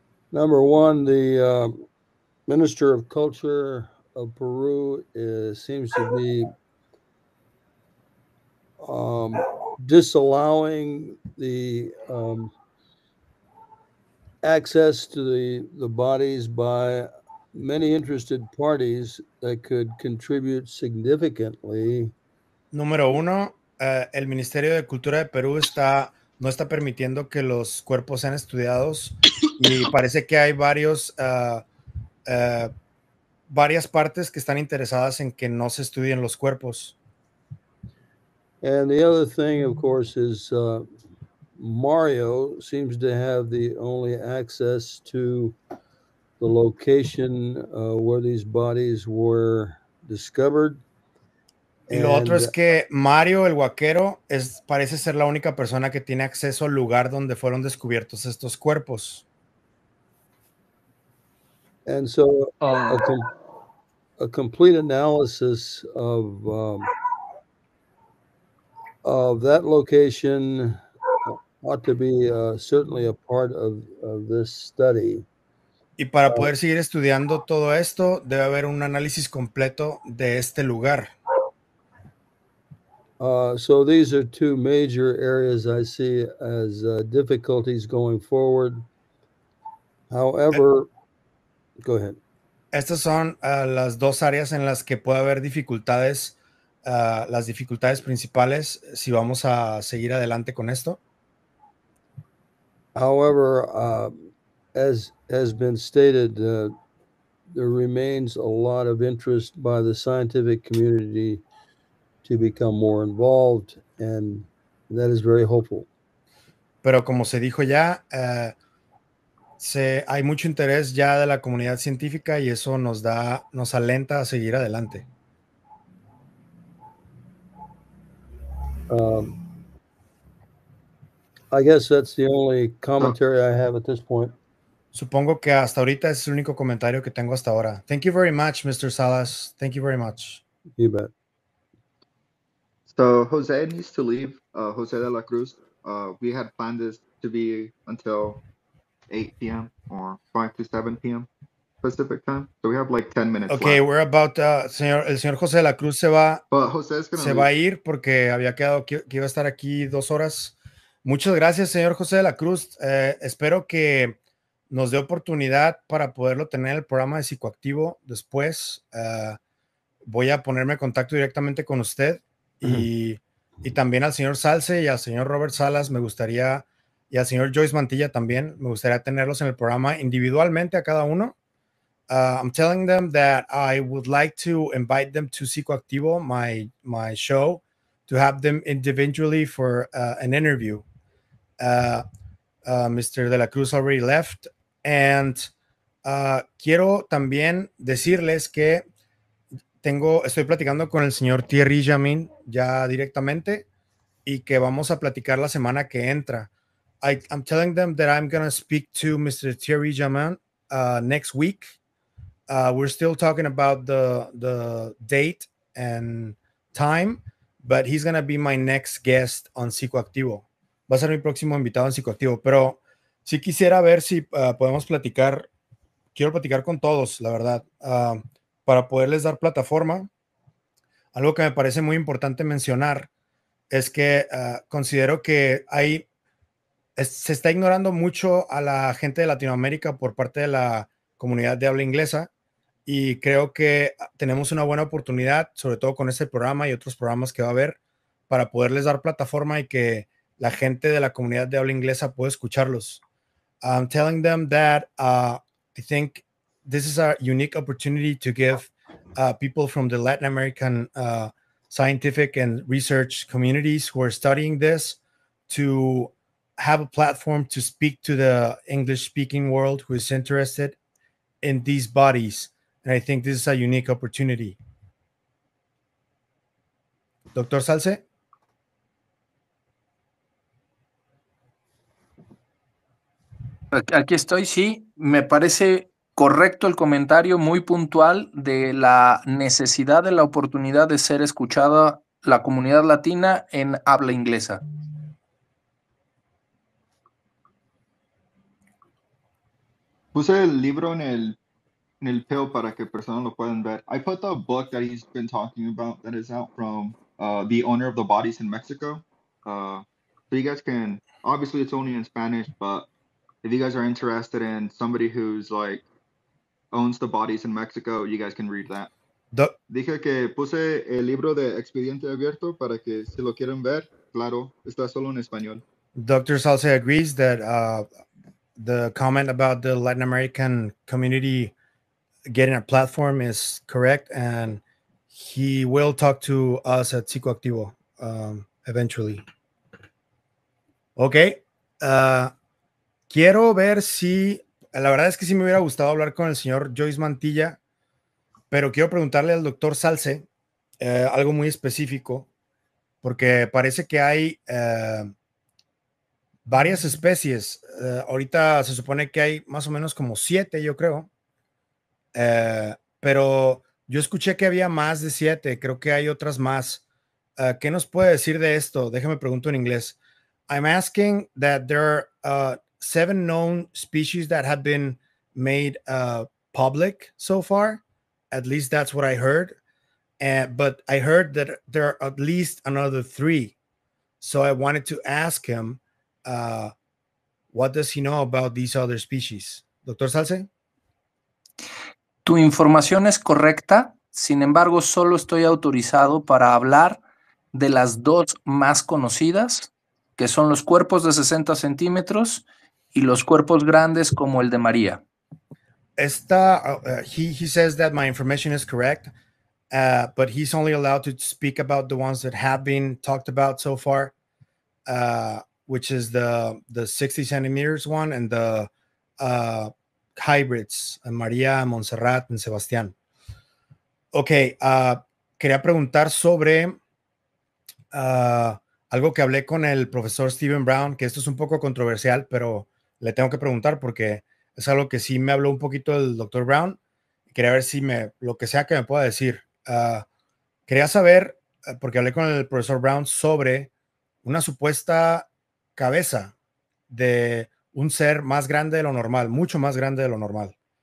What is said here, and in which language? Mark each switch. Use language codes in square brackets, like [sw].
[en] Number one, the Minister of Culture of Peru seems to be disallowing the access to the bodies by many interested parties that could contribute significantly. [es] Número uno, el Ministerio de Cultura de Perú no está permitiendo que los cuerpos sean estudiados y parece que hay varias partes que están interesadas en que no se estudien los cuerpos. [en] And the other thing, of course, is Mario seems to have the only access to the location where these bodies were discovered. [es] Y lo otro es que Mario, el huaquero, parece ser la única persona que tiene acceso al lugar donde fueron descubiertos estos cuerpos. [en] And so a complete analysis of that location ought to be certainly a part of this study. [es] Y para poder seguir estudiando todo esto, debe haber un análisis completo de este lugar. [en] So these are two major areas I see as difficulties going forward. However, go ahead. [es] Estas son las dos áreas en las que puede haber dificultades, las dificultades principales, si vamos a seguir adelante con esto. [en] However, as has been stated, there remains a lot of interest by the scientific community to become more involved, and that is very hopeful. [es] Pero como se dijo ya, hay mucho interés ya de la comunidad científica y eso nos alenta a seguir adelante. [en] I guess that's the only commentary I have at this point. [es] Supongo que hasta ahorita es el único comentario que tengo hasta ahora. [en] Thank you very much, Mr. Salas. Thank you very much. You bet. So Jose needs to leave, Jose De La Cruz. We had planned this to be until 8 p.m. or 5 to 7 p.m. Pacific time. So we have like 10 minutes okay, left. We're about, [es] el señor Jose De La Cruz se va. [en] But Jose's gonna [es] se [en] leave. [es] Va a ir porque había quedado que iba a estar aquí dos horas. Muchas gracias, señor Jose De La Cruz. Espero que nos dé oportunidad para poderlo tener en el programa de Psicoactivo después. Voy a ponerme en contacto directamente con usted. Y también al señor Salce y al señor Robert Salas me gustaría, y al señor Joyce Mantilla también, me gustaría tenerlos en el programa individualmente a cada uno. [en] I'm telling them that I would like to invite them to Psicoactivo, my show, to have them individually for an interview. Mr. De La Cruz already left. And [es] quiero también decirles que estoy platicando con el señor Thierry Jamin ya directamente y que vamos a platicar la semana que entra. [en] I'm telling them that I'm going to speak to Mr. Thierry Jamin next week. We're still talking about the date and time, but he's going to be my next guest on Psicoactivo. [es] Va a ser mi próximo invitado en Psicoactivo, pero sí quisiera ver si podemos platicar. Quiero platicar con todos, la verdad. Para poderles dar plataforma, algo que me parece muy importante mencionar es que considero que se está ignorando mucho a la gente de Latinoamérica por parte de la comunidad de habla inglesa y creo que tenemos una buena oportunidad, sobre todo con este programa y otros programas que va a haber, para poderles dar plataforma y que la gente de la comunidad de habla inglesa puede escucharlos. [en] I'm telling them that I think this is a unique opportunity to give people from the Latin American scientific and research communities who are studying this to have a platform to speak to the English-speaking world who is interested in these bodies. And I think this is a unique opportunity. Dr. Salce? [es] Aquí estoy, sí. Me parece correcto el comentario muy puntual de la necesidad de la oportunidad de ser escuchada la comunidad latina en habla inglesa. Puse el libro en el PEO para que personas lo puedan ver. [en] I put the book that he's been talking about that is out from The Owner of the Bodies in Mexico. So you guys can, obviously it's only in Spanish, but if you guys are interested in somebody who's like owns the bodies in Mexico, you guys can read that. [es] Dije que puse el libro de Expediente Abierto para que si lo quieren ver, claro, está solo en español. [en] Dr. Salce agrees that the comment about the Latin American community getting a platform is correct, and he will talk to us at Psicoactivo eventually. Okay. [es] Quiero ver si, la verdad es que sí me hubiera gustado hablar con el señor Joyce Mantilla, pero quiero preguntarle al doctor Salce algo muy específico, porque parece que hay varias especies. Ahorita se supone que hay más o menos como 7, yo creo. Pero yo escuché que había más de 7, creo que hay otras más. ¿Qué nos puede decir de esto? Déjame preguntar en inglés. [en] I'm asking that there are 7 known species that have been made public so far. At least that's what I heard. But I heard that there are at least another 3. So I wanted to ask him, what does he know about these other species? [es] Doctor Salce? Tu información es correcta, sin embargo, solo estoy autorizado para hablar de las 2 más conocidas, que son los cuerpos de 60 centímetros y los cuerpos grandes como el de María. [en] He says that my information is correct, but he's only allowed to speak about the ones that have been talked about so far, which is the 60 centimeters one and the hybrids, María, Montserrat y Sebastián. [es] Ok, quería preguntar sobre algo que hablé con el profesor Steven Brown, que esto es un poco controversial, pero le tengo que preguntar porque es algo que sí me habló un poquito el doctor Brown. Quería ver si lo que sea que me pueda decir. Quería saber, porque hablé con el profesor Brown, sobre una supuesta cabeza de un ser más grande de lo normal, mucho más grande de lo normal.